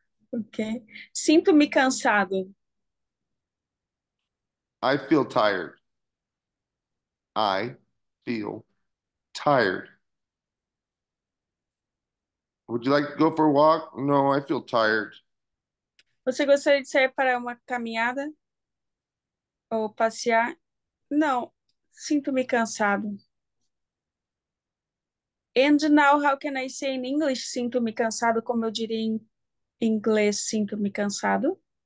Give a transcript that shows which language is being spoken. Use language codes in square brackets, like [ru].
[pt] Ok. Sinto-me cansado. [en] I feel tired. I feel tired. Would you like to go for a walk? No, I feel tired. [pt] Você gostaria de sair para uma caminhada ou passear? Não, sinto-me cansado. [en] And now, how can I say in English? [pt] Sinto-me cansado, como eu diria em inglês, sinto-me cansado.